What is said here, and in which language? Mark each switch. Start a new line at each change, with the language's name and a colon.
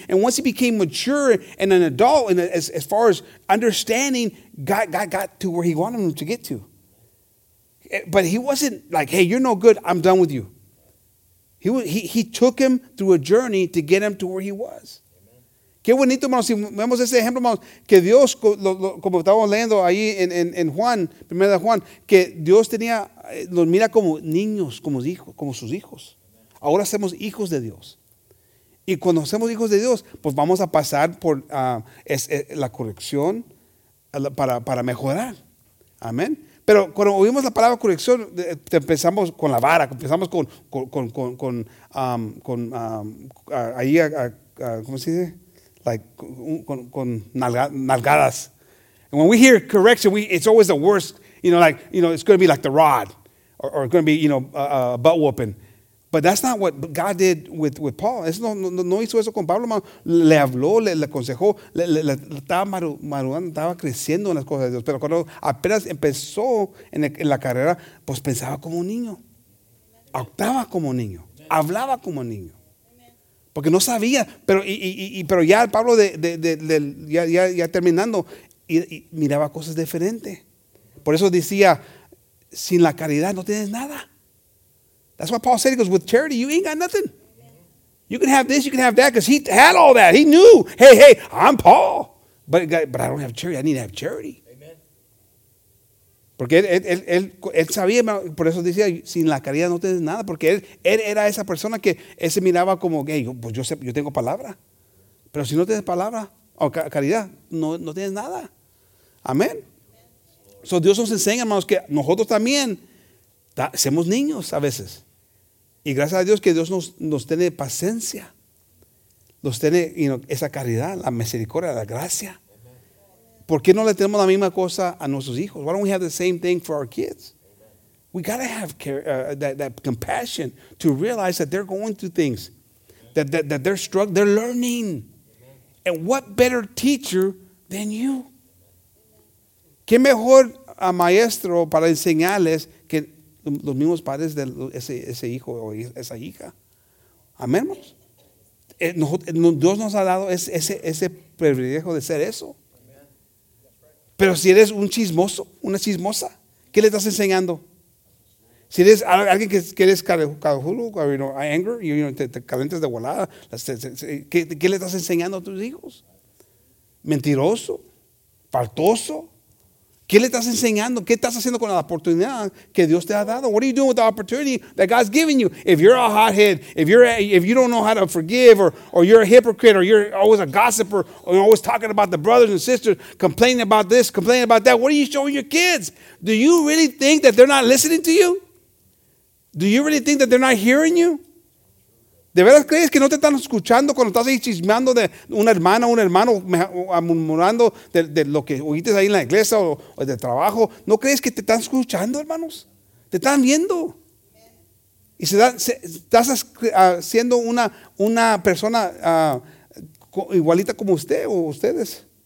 English: And once he became mature and an adult, and as far as understanding, God got to where he wanted him to get to. But he wasn't like, hey, you're no good, I'm done with you. He took him through a journey to get him to where he was. Amen.
Spanish: Qué bonito, hermanos, si vemos ese ejemplo, hermanos, que Dios, como estábamos leyendo ahí en Juan, primera de Juan, que Dios tenía, los mira como niños, como hijos, como sus hijos. Ahora somos hijos de Dios. Y cuando somos hijos de Dios, pues vamos a pasar por la corrección para mejorar. Amén. Pero cuando oímos la palabra corrección, empezamos con la vara, empezamos ¿cómo se dice? Con nalgadas.
English: And when we hear correction, it's always the worst. It's going to be like the rod, or it's going to be, butt whooping. But that's not what God did with Paul.
Spanish: No hizo eso con Pablo. Le habló, le aconsejó, le estaba madurando, estaba creciendo en las cosas de Dios. Pero cuando apenas empezó en la carrera, pues pensaba como un niño. Actaba como un niño. Hablaba como un niño. Porque no sabía. Pero ya Pablo, ya terminando, y miraba cosas diferentes. Por eso decía, sin la caridad no tienes nada.
English: That's what Paul said. He goes, with charity, you ain't got nothing. You can have this, you can have that, because he had all that. He knew, hey, I'm Paul. But I don't have charity. I need to have charity. Amen.
Spanish: Porque él sabía, por eso decía, sin la caridad no tienes nada. Porque él era esa persona que él se miraba como, hey, pues yo sé, yo tengo palabra. Pero si no tienes palabra o caridad, no tienes nada. Amén. So Dios nos enseña, hermanos, que nosotros también somos niños a veces. Y gracias a Dios que Dios nos tiene paciencia. Nos tiene esa caridad, la misericordia, la gracia. ¿Por qué no le tenemos la misma cosa a nuestros hijos?
English: Why don't we have the same thing for our kids? We got to have that compassion to realize that they're going through things. That they're struggling, they're learning. And what better teacher than you?
Spanish: ¿Qué mejor maestro para enseñarles que los mismos padres de ese hijo o esa hija? Amén. Dios nos ha dado ese privilegio de ser eso. Pero si eres un chismoso, una chismosa, ¿qué le estás enseñando? Si eres alguien que eres carajulo,
English: anger,
Spanish: te calientes de volada, ¿qué le estás enseñando a tus hijos? Mentiroso, faltoso. ¿Qué le estás enseñando? ¿Qué estás haciendo con la oportunidad que Dios te ha dado?
English: What are you doing with the opportunity that God's given you? If you're a hothead, if you don't know how to forgive, or you're a hypocrite, or you're always a gossiper, or you're always talking about the brothers and sisters, complaining about this, complaining about that, what are you showing your kids? Do you really think that they're not listening to you? Do you really think that they're not hearing you?
Spanish: ¿De verdad crees que no te están escuchando cuando estás ahí chismeando de una hermana o un hermano, murmurando de lo que oíste ahí en la iglesia o de trabajo? ¿No crees que te están escuchando, hermanos? Te están viendo. Y estás siendo una persona igualita como usted o ustedes.